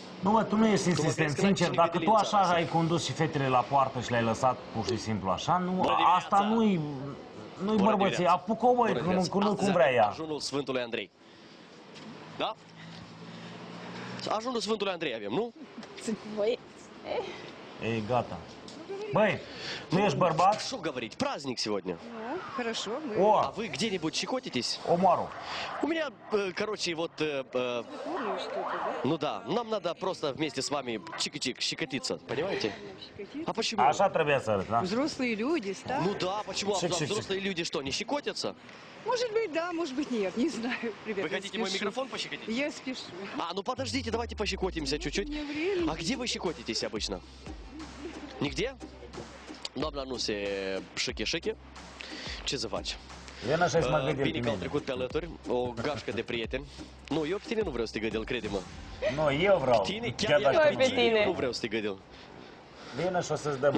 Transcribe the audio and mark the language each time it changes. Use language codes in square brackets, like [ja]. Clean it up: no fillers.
[ro] Nu, mă, tu nu ești insistent, sincer, dacă tu așa ai condus și fetele la poartă și le-ai lăsat pur și simplu așa, nu, asta nu-i bărbăție, apucă-o, băi, cum vrea ea. Ajunul Sfântului Andrei. Da? Ajunul Sfântului Andrei avem, nu? Băi, ei, gata. Băi, nu ești bărbat? Ce [ru] говорить? Праздник сегодня. Да, хорошо. О, а вы где-нибудь щекотитесь? Омару. У меня, короче, вот ну да, нам надо просто вместе с вами чик-чик щекотиться, понимаете? А почему? А что требуется, да? Взрослые люди, да? Ну да, почему? А взрослые люди что, не щекотятся? Может быть, да, может быть, нет, не знаю. Ребята, вы хотите мой микрофон пощекотить? Я спешу. А, ну подождите, давайте пощекотимся чуть-чуть. А где вы щекотитесь обычно? Нигде? [ro] Doamna nu se șăche-șăche. Ce să faci? Vine așa să mă gâdil. Bine că au trecut pe alături. O gașcă de prieteni. Nu, eu pe tine nu vreau să te gâdil, crede-mă. Nu, eu vreau. Pe tine? Chiar eu pe tine nu vreau să te gâdil. Vine așa să-ți dăm